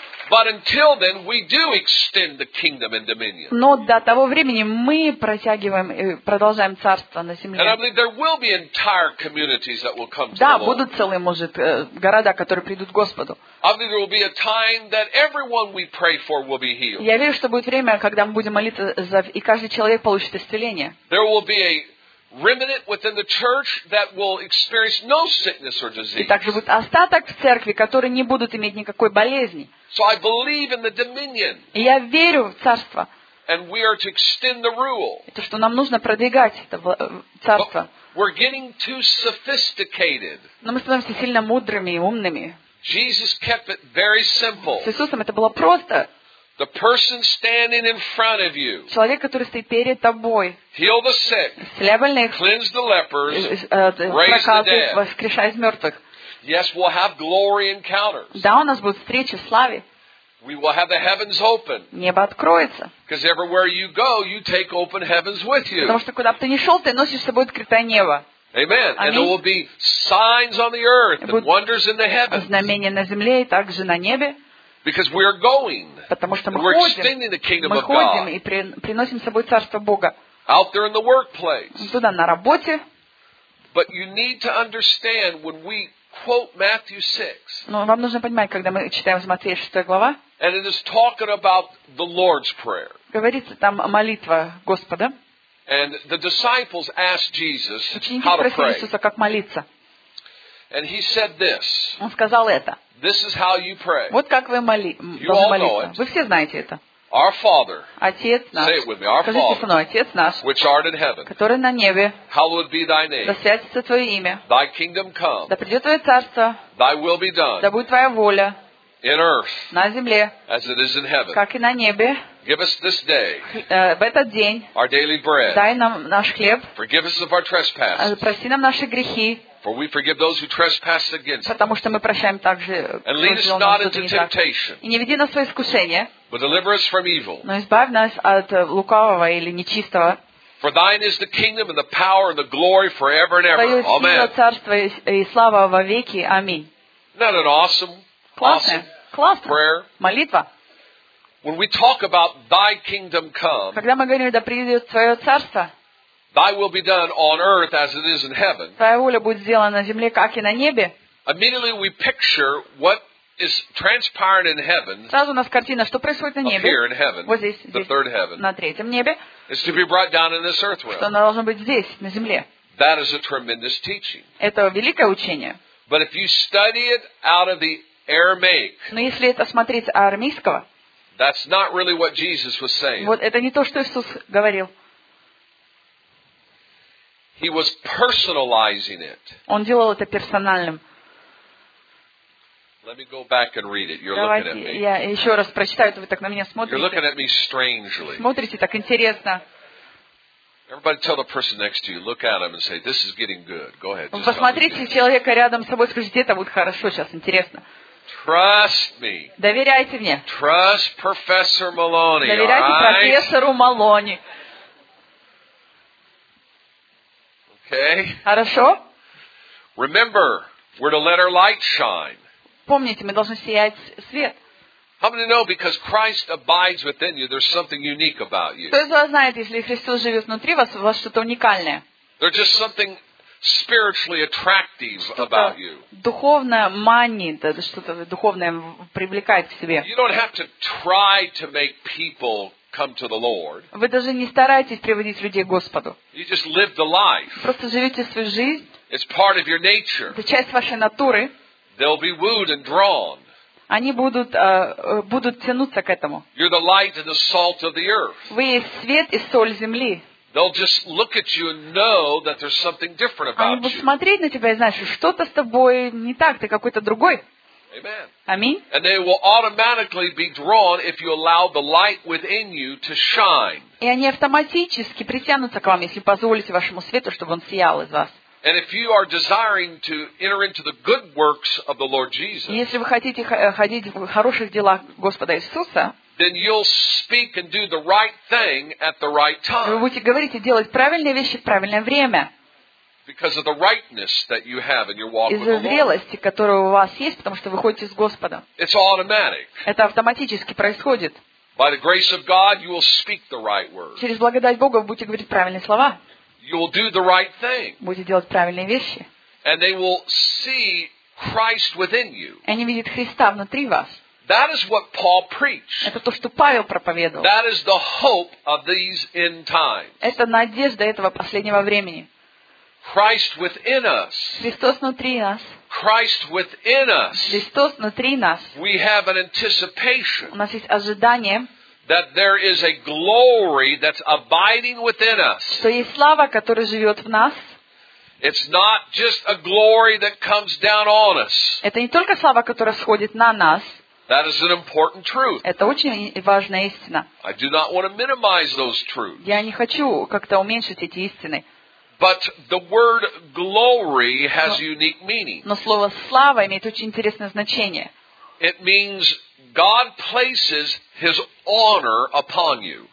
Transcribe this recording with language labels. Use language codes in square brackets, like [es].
[en] But until then, we do extend the kingdom and dominion. [ru] Но до того времени мы протягиваем и продолжаем царство на земле. [en] And I believe there will be entire communities that will come to the Lord. [ru] Будут целые, может, города, которые придут к Господу. [en] I believe there will be a time that everyone we pray for will be healed. [ru] Я верю, что будет время, когда мы будем молиться за и каждый человек получит исцеление. [en] There will be a remnant within the church that will experience no sickness or disease. [ru] И также будет остаток в церкви, которые не будут иметь никакой болезни. [en] So I believe in the dominion. [ru] Я верю в царство. [en] And we are to extend the rule. [ru] То, что нам нужно продвигать это царство. [en] But we're getting too sophisticated. [ru] Но мы становимся сильно мудрыми и умными. [en] Jesus kept it very simple. [ru] С Иисусом это было просто. [en] The person standing in front of you. [ru] Человек, который стоит перед тобой. [en] Heal the sick. [ru] Исцеляй больных. [en] Cleanse the lepers. Raise the dead. [ru] Воскрешай мертвых. [en] Yes, we'll have glory encounters. [ru] Да, у нас будут встречи в славе. [en] We will have the heavens open. [ru] Небо откроется. [en] Because everywhere you go, you take open heavens with you. [ru] Потому что куда бы ты ни шел, ты носишь с собой открытое небо. [en] Amen. [ru] Аминь. [en] And there will be signs on the earth and wonders in the heavens. [ru] Знамения на земле и также на небе. [en] Because we are going. [ru] Потому что мы [en] we're [ru] ходим. [en] We're extending the kingdom [ru] мы [en] of God. [ru] Мы ходим и приносим с собой царство Бога. [en] Out there in the workplace. [ru] Туда на работе. [en] But you need to understand when we quote Matthew 6. [ru] Но вам нужно понимать, когда мы читаем из Матфея 6 глава. [en] And it is talking about the Lord's Prayer. [ru] Говорится там молитва Господа. [en] And the disciples asked Jesus [ru] ученики [en] how to pray. [ru] Ученики спросили Иисуса, как молиться. [en] And he said this. [ru] Он сказал это. [en] This is how you pray. [ru] Вот как вы должны молиться. Вы все знаете это. [en] Our Father. [ru] Отец наш. [en] Say it with me. Our Father. [ru] Скажите со мной, Отец наш. [en] Which art in heaven. [ru] Который на небе. [en] Hallowed be thy name. [ru] Да святится твое имя. [en] Thy kingdom come. [ru] Да придет твое царство. [en] Thy will be done. [ru] Да будет твоя воля. [en] In earth. [ru] На земле. [en] As it is in heaven. [ru] Как и на небе. [en] Give us this day. [ru] В этот день. [en] Our daily bread. [ru] Дай нам наш хлеб. [en] Forgive us of our trespasses. [ru] Прости нам наши грехи. [en] For we forgive those who trespass against us. [ru] Потому что мы прощаем также. [en] And lead us not into temptation. [ru] И не веди нас в искушение. [en] But deliver us from evil. [ru] Но избавь нас от лукавого или нечистого. [en] For thine is the kingdom and the power and the glory forever and ever. Amen. [ru] Твое царство и слава во веки. Аминь. [en] Isn't that an awesome, [ru] классная, [en] awesome [ru] классная [en] prayer? [ru] Молитва. [en] When we talk about thy kingdom come. [ru] Когда мы говорим, да придет твое царство. [en] Thy will be done on earth as it is in heaven. [ru] Твоя воля будет сделана на земле, как и на небе. [en] Immediately we picture what is transpiring in heaven. [ru] Сразу у нас картина, что происходит на небе. [en] Up here in heaven. [ru] Вот здесь, [en] the third heaven. [ru] На третьем небе. [en] It's to be brought down in this earth realm. [ru] Что оно должно быть здесь, на земле. [en] That is a tremendous teaching. [ru] Это великое учение. [en] But if you study it out of the Aramaic. [ru] Но если это смотреть арамейского. [en] That's not really what Jesus was saying. [ru] Вот это не то, что Иисус говорил. [en] He was personalizing it. [ru] Он делал это персональным. [en] Let me go back and read it. You're [ru] Давайте [en] looking at me. [ru] Я еще раз прочитаю, вы так на меня смотрите. [en] You're looking at me strangely. [ru] Смотрите так интересно. [en] Everybody tell the person next to you, look at him and say, this is getting good. Go ahead. [ru] Посмотрите человека рядом с собой, скажите, это будет хорошо сейчас, интересно. [en] Trust me. [ru] Доверяйте мне. [en] Trust Professor Maloney. [ru] Доверяйте [en] all right? [ru] профессору Малони. [en] Okay. [ru] Хорошо. [en] Remember, we're to let our light shine. [ru] Помните, мы должны сиять свет. [en] How many know because Christ abides within you, there's something unique about you. [ru] Кто из вас знает, если Христос живет внутри вас, у вас что-то уникальное. [en] There's just something spiritually attractive about you. [ru] Духовное манит, что-то духовное привлекает к себе. [en] You don't have to try to make people come to the Lord. [ru] Вы даже не старайтесь приводить людей к Господу. [en] You just live the life. [ru] Просто живите свою жизнь. [en] It's part of your nature. [ru] Это часть вашей натуры. [en] They'll be wooed and drawn. [ru] Они будут тянуться к этому. [en] You're the light and the salt of the earth. [ru] Вы свет и соль земли. [en] They'll just look at you and know that there's something different about you. [ru] Они будут смотреть на тебя и знать, что что-то с тобой не так, ты какой-то другой. [en] Amen. [ru] Аминь. [en] And they will automatically be drawn if you allow the light within you to shine. [ru] И они автоматически притянутся к вам, если позволите вашему свету, чтобы он сиял из вас. [en] And if you are desiring to enter into the good works of the Lord Jesus, [ru] если вы хотите ходить в хороших делах Господа Иисуса, [en] then you'll speak and do the right thing at the right time. [ru] Вы будете говорить и делать правильные вещи в правильное время. [en] Because of the rightness that you have in your walk with the Lord. [ru] Из-за зрелости, которая у вас есть, потому что вы ходите с Господом. [en] It's automatic. [ru] Это автоматически происходит. [en] By the grace of God, you will speak the right words. [ru] Через благодать Бога вы будете говорить правильные слова. [en] You will do the right thing. [ru] Будете делать правильные вещи. [en] And they will see Christ within you. [ru] Они видят Христа внутри вас. [en] That is what Paul preached. [ru] Это то, что Павел проповедовал. [en] That is the hope of these end times. [ru] Это надежда этого последнего времени. [en] Christ within us. [ru] Христос внутри нас. [en] Christ within us. [ru] Христос внутри нас. [en] We have an anticipation. [ru] У нас есть ожидание. [en] That there is a glory that's abiding within us. [ru] Что есть слава, которая живет в нас. [en] It's not just a glory that comes down on us. [ru] Это не только слава, которая сходит на нас. [en] That is an important truth. [ru] Это очень важная истина. [en] I do not want to minimize those truths. [ru] Я не хочу как-то уменьшить эти истины. [en] But the word glory has a unique meaning. [ru] Но слово слава имеет очень интересное значение. [en] It means God places His honor upon you.